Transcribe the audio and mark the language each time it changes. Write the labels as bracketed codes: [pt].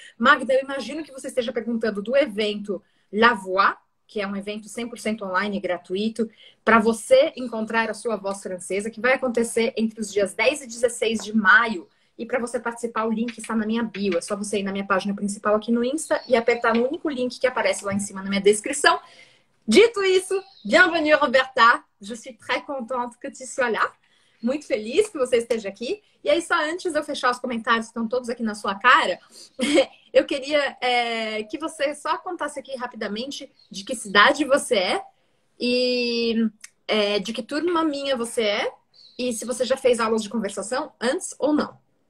[pt] Magda, eu imagino que você esteja perguntando do evento La Voix, que é um evento 100% online e gratuito, para você encontrar a sua voz francesa, que vai acontecer entre os dias 10 e 16 de maio. E para você participar, o link está na minha bio. É só você ir na minha página principal aqui no Insta e apertar no único link que aparece lá em cima na minha descrição. Dito isso, bienvenue, Roberta. [fr] Je suis très contente que tu sois là. [pt] Muito feliz que você esteja aqui. E aí, só antes de eu fechar os comentários, estão todos aqui na sua cara, eu queria que você só contasse aqui rapidamente de que cidade você é e de que turma minha você é e se você já fez aulas de conversação antes ou não.